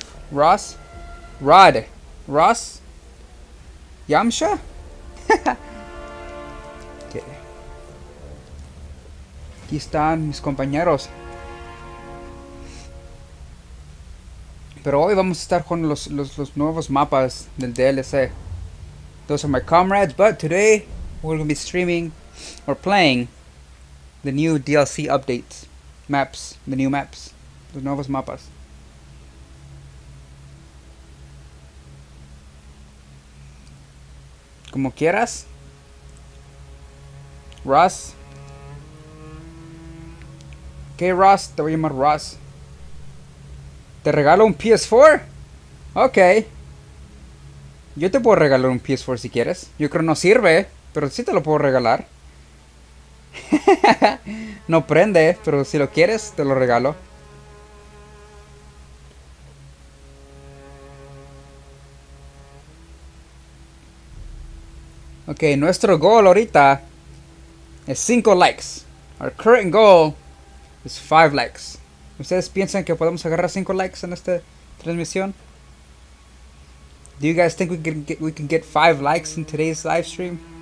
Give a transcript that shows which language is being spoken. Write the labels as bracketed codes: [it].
[es] Ross, Rod, Ross, Yamsha. Aquí están mis compañeros. Pero hoy vamos a estar con los nuevos mapas del DLC. [en] Those are my comrades, but today we're gonna be streaming. We're playing the new DLC updates, maps, the new maps, [es] los nuevos mapas. Como quieras, Ross. Okay, Ross, te voy a llamar Ross. ¿Te regalo un PS4? Okay. Yo te puedo regalar un PS4 si quieres. Yo creo que no sirve, pero sí te lo puedo regalar. No prende, pero si lo quieres, te lo regalo. Ok, nuestro goal ahorita es 5 likes. [en] Our current goal is 5 likes. [es] ¿Ustedes piensan que podemos agarrar 5 likes en esta transmisión? [en] Do you guys think we can get 5 likes in today's live stream?